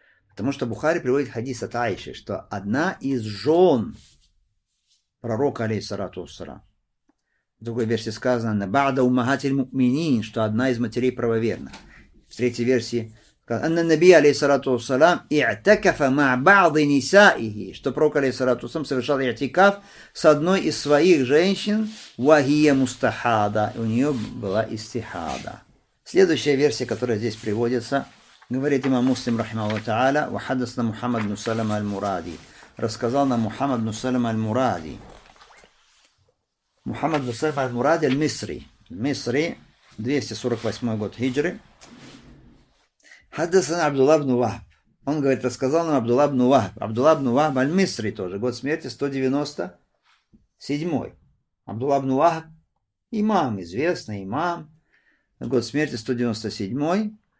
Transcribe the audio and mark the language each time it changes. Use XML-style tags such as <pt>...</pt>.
<ru>Потому что Бухари приводит хадис от Аиши, что одна из жен пророка, алейхиссалату вассалам, в другой версии сказано,</ru> <ar>на бада умагатиль муминин,</ar> <ru>что одна из матерей правоверных. В третьей версии</ru> <ar>أن النبي عليه الصلاة والسلام اعتكف مع بعض نسائه</ar> <ru>что пророк عليه الصلاة والسلام совершал اعتكاف с одной из своих женщин</ru> <ar>وهي مستحادة</ar> <ru>у нее была истихада. Следующая версия, которая здесь приводится, говорит имам Муслим</ru> <ar>رحمه الله تعالى وحدثنا محمد بن سلمة المرادي</ar> <ru>рассказал нам محمد بن سلمة المرادي.</ru> <ar>محمد بن سلمة المرادي المصري, المصري 248 год هجري. Хаддасан</ar> <ru>Абдулла ибн Вахб. Он говорит, рассказал нам Абдулла ибн Вахб. Абдулла ибн Вахб аль-Мисри тоже. Год смерти 197. Абдулла ибн Вахб. Имам известный, имам. Год смерти 197.</ru>